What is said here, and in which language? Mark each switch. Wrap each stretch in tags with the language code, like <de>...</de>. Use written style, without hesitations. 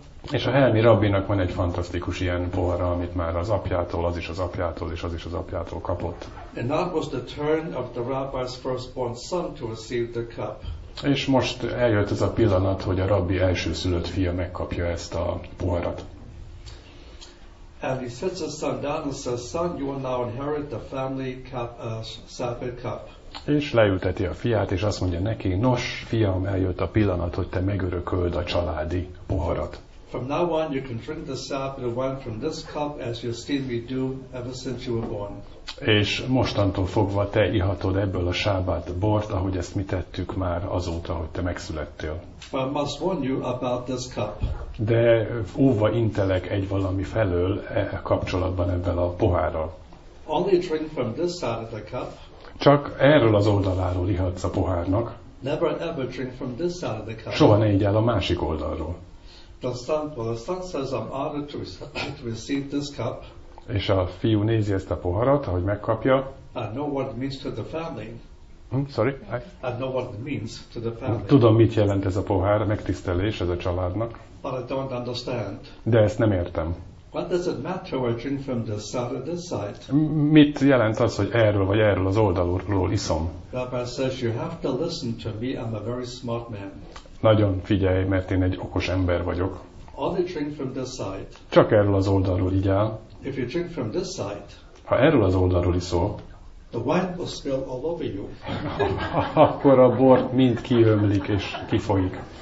<hu>És a helmi rabbinak van egy fantasztikus ilyen pohara, amit már az apjától, az is az apjától, és az is az apjától kapott.</hu> <en>And now was the turn of the rabbi's firstborn son to receive the cup.</en> <hu>És most eljött ez a pillanat, hogy a rabbi elsőszülött fia megkapja ezt a poharat.</hu> <en>And he sits his son down and says, "Son, you will now inherit the family cup, Sabbath cup."</en> <hu>És leülteti a fiát, és azt mondja neki, "Nos, fiam, eljött a pillanat, hogy te megörököld a családi poharat."</hu> <en>From now on, you can drink the Sabbath wine from this cup as you've seen me do ever since you were born.</en> <hu>És mostantól fogva te ihatod ebből a sábbat bort, ahogy ezt mi tettük már azóta, hogy te megszülettél.</hu> <en>But I must warn you about this cup.</en> <hu>De óva intelek egy valami felől kapcsolatban ebben a pohárral.</hu> <en>Only drink from this side of the cup.</en> <hu>Csak erről az oldaláról ihatsz a pohárnak.</hu> <en>Never ever drink from this side of the cup.</en> <hu>Soha ne igyál a másik oldalról.</hu> <en>The son says, "I'm honored to receive this cup."</en> <hu>És a fiú nézi ezt a poharat, ahogy megkapja.</hu> <en>I know what it means to the family. I know what it means to the family.</en> <hu>Tudom, mit jelent ez a pohár, megtisztelés ez a családnak.</hu> <en>But I don't understand.</en> <hu>De ezt nem értem.</hu> <en>What does it matter where I drink from this side or this side?</en> <hu>Mit jelent az, hogy erről vagy erről az oldalról iszom?</hu> <en>Rabbi says, "You have to listen to me. I'm a very smart man."</en> <hu>Nagyon figyelj, mert én egy okos ember vagyok.</hu> <en>Only drink from this side.</en> <hu>Csak erről az oldalról igyál.</hu> <en>If you drink from this side,</en> <hu>ha erről az oldalról iszol,</hu> <en>the wine will spill all over you.</en> <hu>Akkor a bor mind kiömlik és kifolyik.</hu>